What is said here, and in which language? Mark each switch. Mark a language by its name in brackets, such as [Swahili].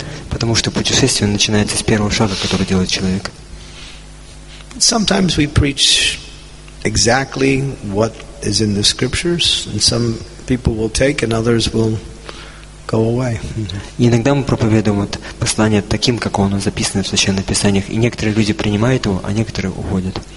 [Russian] Потому что путешествие начинается с первого шага, который делает человек. [English] Sometimes we preach exactly what is in the scriptures, and some people will take, and others will go away. [Russian] Иногда мы проповедуем послание таким, как оно записано в священных писаниях, и некоторые люди принимают его, а некоторые уходят.